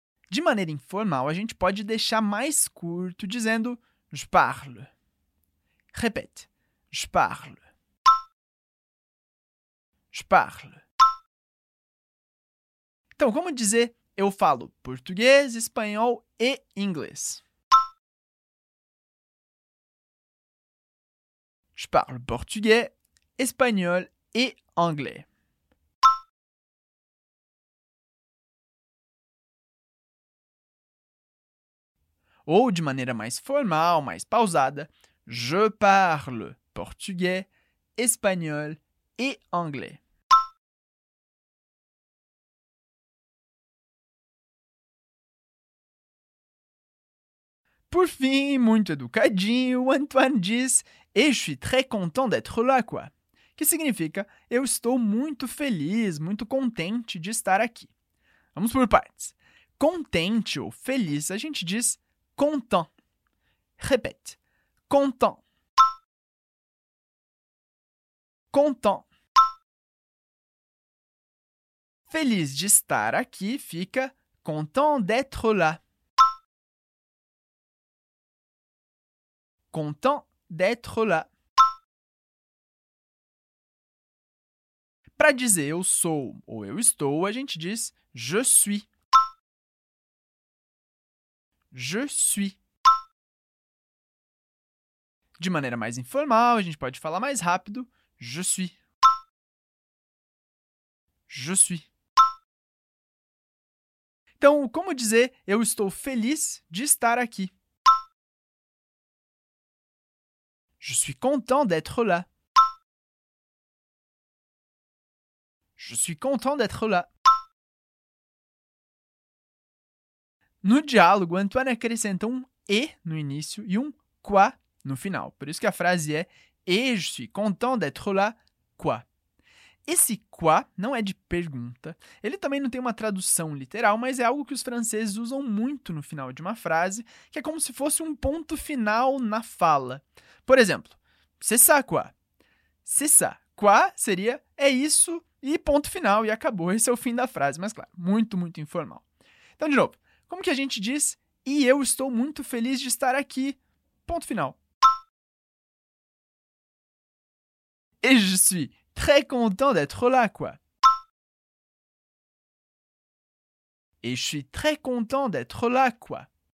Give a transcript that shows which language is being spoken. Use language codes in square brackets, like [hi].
[pt] De maneira informal, a gente pode deixar mais curto dizendo [fr] je parle. [pt] Repete. [fr] Je parle. Je parle. [pt] Então, como dizer eu falo português, espanhol e inglês? [fr] Je parle portugais, espanhol et anglais. [pt] Ou de maneira mais formal, mais pausada, [fr] je parle portugais, espanhol et anglais. [pt] Por fim, muito educadinho, o Antoine diz [fr] « Et je suis très content d'être là, quoi ?» [pt] que significa « Eu estou muito feliz, muito contente de estar aqui. » Vamos por partes. Contente ou feliz, a gente diz « content ». Repete. Content. [fr] Content. [pt] Feliz de estar aqui fica « [fr] content d'être là ». Content d'être là. [pt] Para dizer eu sou ou eu estou, a gente diz [fr] je suis. Je suis. [pt] De maneira mais informal, a gente pode falar mais rápido [fr] je suis. Je suis. [pt] Então, como dizer eu estou feliz de estar aqui? [fr] Je suis content d'être là. Je suis content d'être là. [pt] No diálogo, Antoine acrescenta um E no início e um quoi no final. Por isso que a frase é [fr] Et je suis content d'être là, quoi. [pt] Esse quoi não é de pergunta. Ele também não tem uma tradução literal, mas é algo que os franceses usam muito no final de uma frase, que é como se fosse um ponto final na fala. Por exemplo, [fr] c'est ça quoi? C'est ça quoi [pt] seria é isso e ponto final, e acabou, esse é o fim da frase, mas claro, muito, muito informal. Então, de novo, como que a gente diz e eu estou muito feliz de estar aqui? Ponto final. [fr] Et je suis très content d'être là, quoi. Et je suis très content d'être là, quoi.